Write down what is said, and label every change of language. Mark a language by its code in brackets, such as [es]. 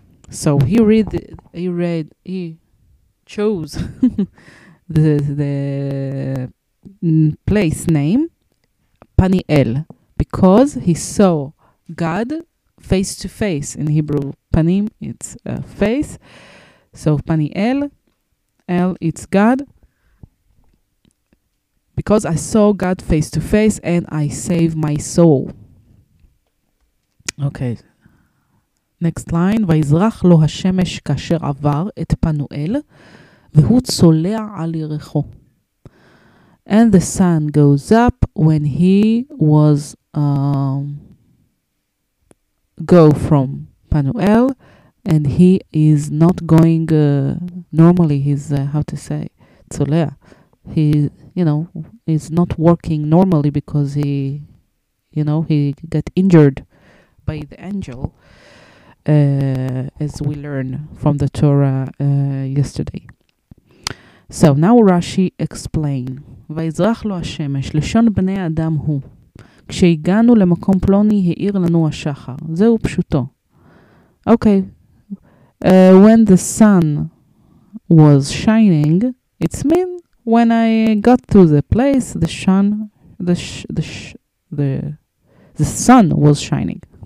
[en] So he chose the place name Paniel because he saw God face to face. In Hebrew, Panim, it's a face. So Paniel, El, it's God. Because I saw God face to face and I saved my soul. Okay. Next line, [he] ויזרח לו השמש כאשר עבר את פנואל, והוא צולע על ירחו. [en] And the sun goes up when he was go from Panuel, and he is not going normally. He's how to say tzolea. He, you know, is not working normally because he, you know, he got injured by the angel, as we learn from the Torah yesterday. So now Rashi explain. [he] ויזרח לו השמש, לשון בני אדם הוא. כשהגענו למקום פלוני, העיר לנו השחר. זהו פשוטו. Okay. [en] When the sun was shining, it's mean when I got to the place, the sun was shining.